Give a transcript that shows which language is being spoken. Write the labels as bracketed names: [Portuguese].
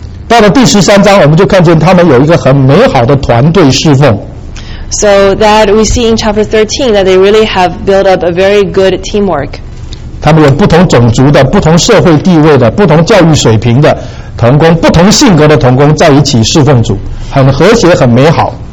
[Chinese] 到了第十三章，我们就看见他们有一个很美好的团队侍奉。 [English] So that we see in chapter 13 that they really have built up a very good teamwork. [Chinese] 他们有不同种族的、不同社会地位的、不同教育水平的同工，不同性格的同工在一起侍奉主，很和谐、很美好。